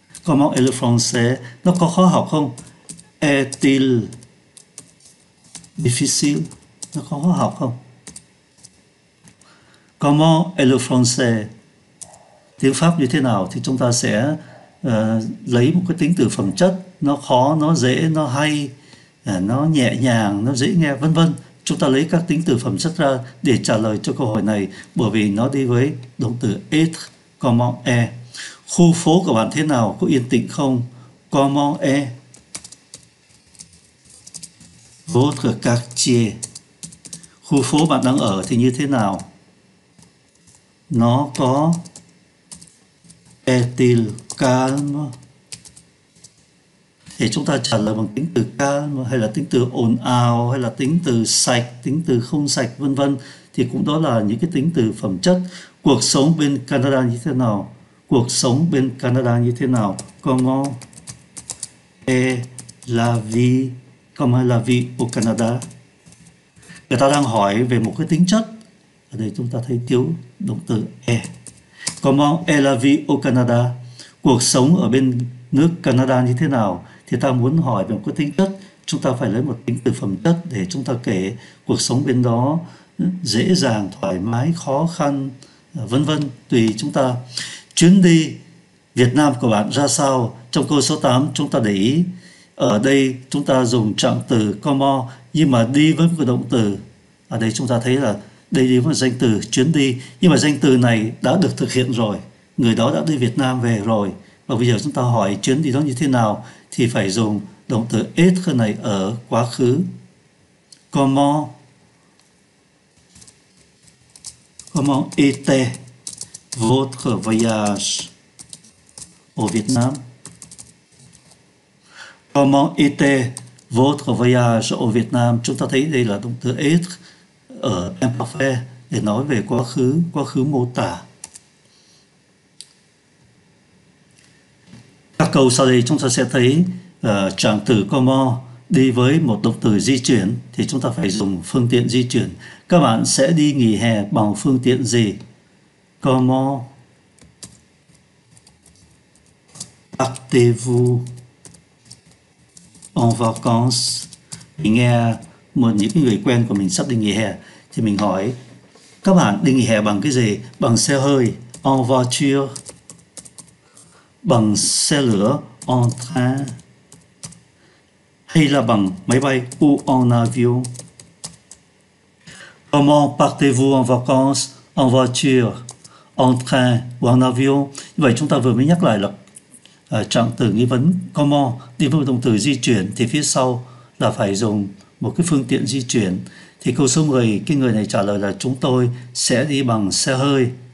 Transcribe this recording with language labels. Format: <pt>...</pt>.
<fr>Comment est le français?</fr> <vi>Nó có khó học không?</vi> <fr>Est-il difficile?</fr> <vi>Nó có khó học không?</vi> <fr>Comment est le français?</fr> <vi>Tiếng Pháp như thế nào? Thì chúng ta sẽ lấy một cái tính từ phẩm chất, nó khó, nó dễ, nó hay, nó nhẹ nhàng, nó dễ nghe, vân vân. Chúng ta lấy các tính từ phẩm chất ra để trả lời cho câu hỏi này, bởi vì nó đi với động từ être, comment est. Khu phố của bạn thế nào, có yên tĩnh không?</vi> <fr>Comment est votre quartier?</fr> <vi>Khu phố bạn đang ở thì như thế nào? Nó có</vi> <fr>est-il calme?</fr> <vi>Thì chúng ta trả lời bằng tính từ calme hay là tính từ ồn ào hay là tính từ sạch, tính từ không sạch, vân vân. Thì cũng đó là những cái tính từ phẩm chất. Cuộc sống bên Canada như thế nào? Cuộc sống bên Canada như thế nào?</vi> <fr>Comment est la vie au Canada?</fr> <vi>Người ta đang hỏi về một cái tính chất. Ở đây chúng ta thấy thiếu động từ est.</vi> <fr>Comment est la vie au Canada?</fr> <vi>Cuộc sống ở bên nước Canada như thế nào? Thì ta muốn hỏi về một cái tính chất, chúng ta phải lấy một tính từ phẩm chất để chúng ta kể cuộc sống bên đó dễ dàng, thoải mái, khó khăn, vân vân, tùy chúng ta. Chuyến đi Việt Nam của bạn ra sao? Trong câu số 8 chúng ta để ý, ở đây chúng ta dùng trạng từ comment, nhưng mà đi với một cái động từ. Ở đây chúng ta thấy là đây đi với danh từ chuyến đi, nhưng mà danh từ này đã được thực hiện rồi. Người đó đã đi Việt Nam về rồi. Và bây giờ chúng ta hỏi chuyến đi đó như thế nào thì phải dùng động từ être này ở quá khứ.</vi> <fr>Comment était votre voyage au Vietnam? Comment était votre voyage au Vietnam?</fr> <vi>Chúng ta thấy đây là động từ être ở imparfait để nói về quá khứ mô tả. Các câu sau đây chúng ta sẽ thấy trạng từ comment đi với một động từ di chuyển thì chúng ta phải dùng phương tiện di chuyển. Các bạn sẽ đi nghỉ hè bằng phương tiện gì?</vi> <fr>Comment partez-vous</fr> <vi>En vacances, mình nghe một những người quen của mình sắp đi nghỉ hè thì mình hỏi các bạn đi nghỉ hè bằng cái gì? Bằng xe hơi, en voiture, bằng xe lửa, en train, hay là bằng máy bay, ou en avion?</vi> <fr>Comment partez-vous en vacances? En voiture, en train ou en avion?</fr> <vi>Như vậy chúng ta vừa mới nhắc lại là trạng từ nghi vấn comment đi với động từ di chuyển thì phía sau là phải dùng một cái phương tiện di chuyển. Thì câu số 10, cái người này trả lời là chúng tôi sẽ đi bằng xe hơi.</vi>